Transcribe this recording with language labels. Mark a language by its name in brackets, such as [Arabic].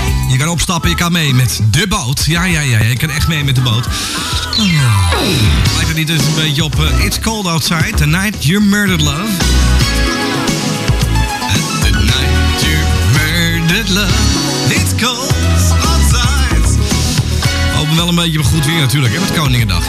[Dutch] Je kan opstappen, je kan mee met de boot. Ja, je kan echt mee met de boot. Oh. Lijkt het niet dus een beetje op It's Cold Outside, The Night You Murdered Love. [English] And the night you murdered love, it's cold outside. [Dutch] Hopen wel een beetje goed weer natuurlijk, hè, met Koninginnedag.